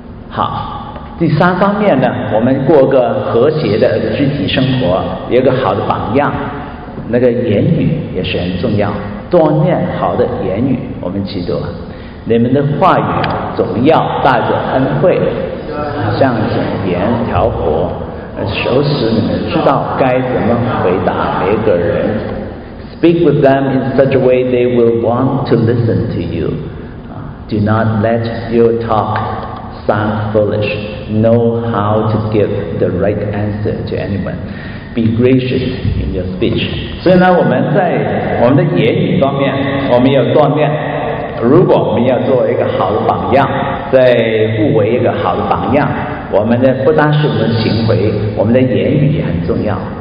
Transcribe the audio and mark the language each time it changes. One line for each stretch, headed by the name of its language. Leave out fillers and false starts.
Chinese: 好，第三方面呢，我们过个和谐的肢体生活，有个好的榜样，那个言语也是很重要，锻炼好的言语。我们记住啊，你们的话语总要带着恩惠，像井盐调火，熟使你们知道该怎么回答每个人。
English: Speak with them in such a way they will want to listen to you. Do not let your talk sound foolish. Know how to give the right answer to anyone. Be gracious in your speech.
Chinese: 所以呢，我们在我们的言语方面，我们要锻炼。如果我们要做一个好的榜样，在互为一个好的榜样，我们的不单是我们的行为，我们的言语也很重要。